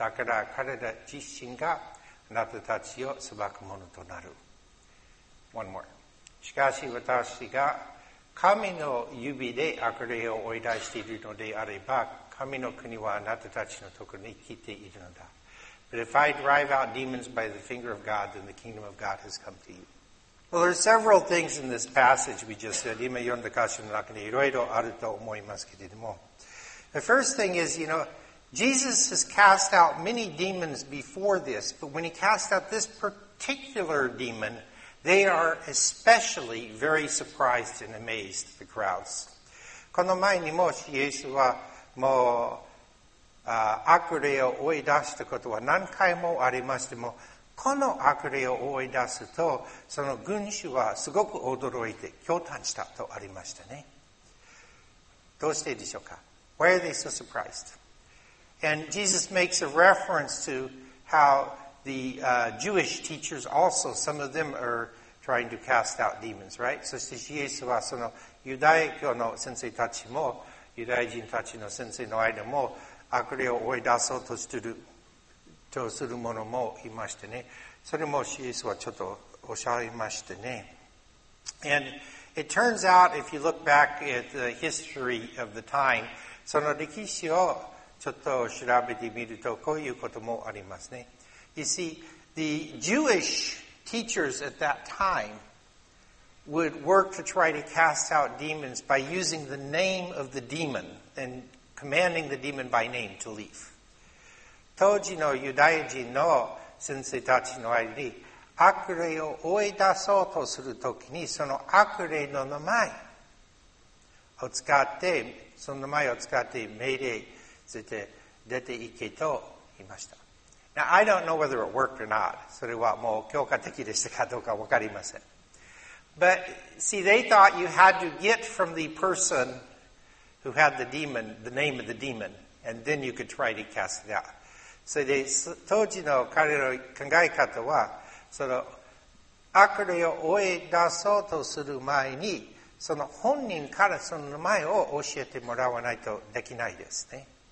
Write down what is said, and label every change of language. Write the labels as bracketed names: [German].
[Japanese] だから彼ら自身があなたたちを裁くものとなる。 [English] One more. [Japanese] しかし私が神の指で悪霊を追い出しているのであれば、神の国はあなたたちのところに来ているのだ。 [English] But if I drive out demons by the finger of God, then the kingdom of God has come to you. Well, there are several things in this passage we just said. [Japanese] 今読んだ箇所の中でいろいろあると思いますけれども。 [English] The first thing is, you know, Jesus has cast out many demons before this, but when he cast out this particular demon, they are especially very surprised and amazed, the crowds. [Japanese] この前にもしイエスはもう悪霊を追い出したことは何回もありましても、この悪霊を追い出すと、その群衆はすごく驚いて驚嘆したとありましたね。どうしてでしょうか? [English] Why are they so surprised? And Jesus makes a reference to how the Jewish teachers also, some of them are trying to cast out demons, right? [Japanese] そしてイエスはそのユダヤ教の先生たちも、ユダヤ人たちの先生の間も悪霊を追い出そうとする者もいましてね。それもシエスはちょっとおっしゃいましてね。 [English] And it turns out, if you look back at the history of the time, [Japanese] その歴史をちょっと調べてみると、こういうこともありますね。 [English] You see, the Jewish teachers at that time would work to try to cast out demons by using the name of the demon and commanding the demon by name to leave. [Japanese] 当時のユダヤ人の先生たちの間に悪霊を追い出そうとするときにその悪霊の名前を使ってその名前を使って命令して出て行けと言いました。 [English] Now I don't know whether it worked or not. [Japanese] それはもう教科的でしたかどうか分かりません。 [English] But see, they thought you had to get from the person who had the demon, the name of the demon, and then you could try to cast it out. So they, [Japanese] 当時の彼の考え方は、その悪霊を追い出そうとする前に、その本人からその名前を教えてもらわないとできないですね。